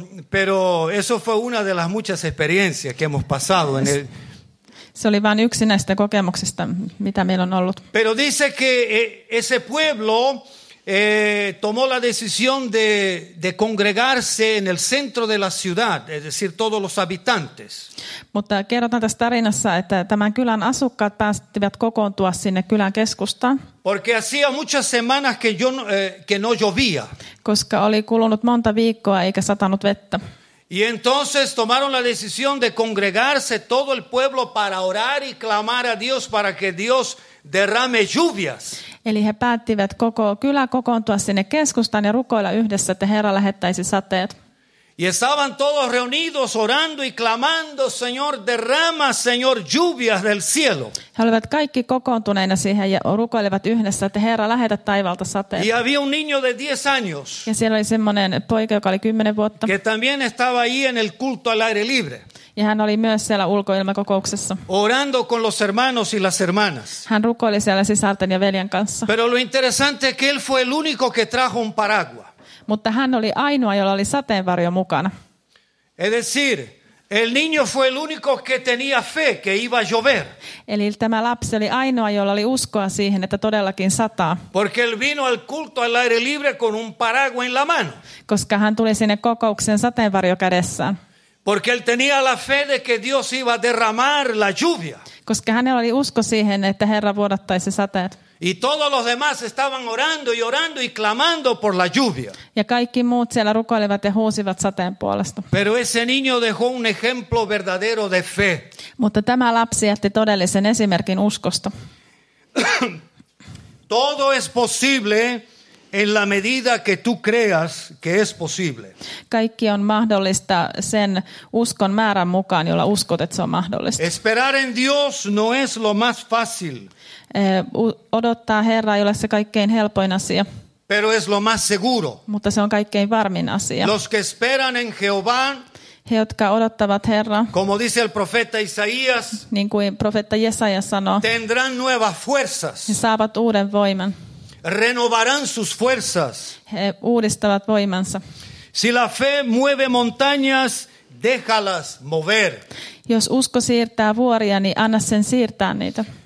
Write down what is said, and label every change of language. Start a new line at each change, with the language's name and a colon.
Spanish: Pero eso fue una de las muchas experiencias que hemos pasado en el.
Finnish: Se oli vain yksi näistä kokemuksista, mitä meillä on ollut.
Spanish: Pero dice que ese pueblo tomó la decisión de congregarse en el centro de la ciudad, es decir, todos los habitantes.
Finnish: Mutta kerrotaan tässä tarinassa, että tämän kylän asukkaat päästivät kokoontua sinne kylän keskustaan.
Spanish: Porque hacía muchas semanas que no llovía.
Finnish: Koska oli kulunut monta viikkoa eikä satanut vettä.
Spanish: Y entonces tomaron la decisión de congregarse todo el pueblo para orar y clamar a Dios para que Dios derrame lluvias.
Finnish: Eli he päättivät koko kylä kokoontua sinne keskustaan ja rukoilla yhdessä, että Herra lähettäisi sateet.
Spanish: Y estaban todos reunidos orando y clamando, Señor, derrama, Señor, lluvias del cielo.
Finnish: He olivat kaikki kokoontuneina siihen ja rukoilevat yhdessä, että Herra lähetä taivalta sateet.
Spanish: Y había un niño de 10 años.
Finnish: Ja siellä oli semmoinen poika, joka oli 10 vuotta.
Spanish: Que también estaba ahí en el culto al aire libre.
Finnish: Ja hän oli myös siellä ulkoilmakokouksessa.
Spanish: Orando con los hermanos y las hermanas.
Finnish: Hän rukoili siellä sisarten ya veljen kanssa.
Spanish: Pero lo interesante es que él fue el único que trajo un paraguas.
Finnish: Mutta hän oli ainoa, jolla oli sateenvarjo mukana.
Spanish: Es decir, el niño fue el único que tenía fe que iba a llover.
Finnish: Eli tämä lapsi oli ainoa, jolla oli uskoa siihen, että todellakin sataa.
Spanish: Porque él vino al culto al aire libre con un paraguas en la mano.
Finnish: Koska hän tuli sinne kokoukseen sateenvarjo kädessään.
Spanish: Porque él tenía la fe de que Dios iba a derramar la lluvia.
Finnish: Koska hänellä oli usko siihen, että Herra vuodattaisi sateet.
Spanish: Y todos los demás estaban orando y orando y clamando por la lluvia.
Finnish: Ja kaikki muut siellä rukoilevat ja huusivat sateen puolesta.
Spanish: Pero ese niño dejó un ejemplo verdadero de fe.
Finnish: Mutta tämä lapsi jätti todellisen esimerkin uskosta.
Spanish: Todo es posible en la medida que tú creas que es posible.
Finnish: Kaikki on mahdollista sen uskon määrän mukaan, jolla uskot, että se on mahdollista.
Spanish: Esperar en Dios no es lo más fácil.
Finnish: Odottaa Herraa ei ole se kaikkein helpoin asia.
Spanish: Pero es lo más seguro.
Finnish: Mutta se on kaikkein varmin asia.
Spanish: Los que esperan en Jehová.
Finnish: He, jotka odottavat Herraa.
Spanish: Como dice el profeta Isaías.
Finnish: Niin kuin profeetta Jesaja sanoo.
Spanish: Tendrán nuevas fuerzas.
Finnish: He saavat uuden voiman.
Spanish: Renovarán sus fuerzas.
Finnish: He uudistavat voimansa.
Spanish: Si la fe mueve montañas, déjalas mover.
Finnish: Jos usko siirtää vuoria, niin anna sen siirtää niitä.